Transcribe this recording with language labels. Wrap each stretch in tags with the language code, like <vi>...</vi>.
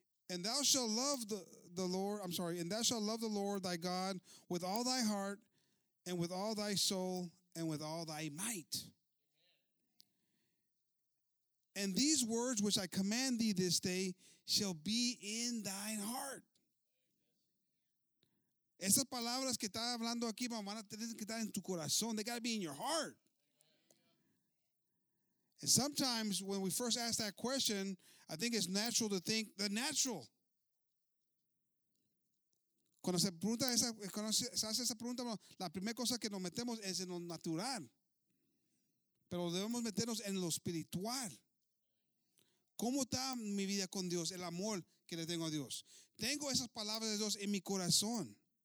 <en>And thou shalt love the Lord thy God with all thy heart and with all thy soul and with all thy might. And these words which I command thee this day shall be in thine heart.</en> <es>Esas palabras que está hablando aquí van a tener que estar en tu corazón.</es> <en>They got to be in your heart. And sometimes when we first ask that question, I think it's natural to think the natural.</en> <es>Cuando se pregunta esa, cuando se hace esa pregunta, la primera cosa que nos metemos es en lo natural. Pero debemos meternos en lo espiritual. ¿Cómo está mi vida con Dios? El amor que le tengo a Dios. Tengo esas palabras de Dios en mi corazón.</es>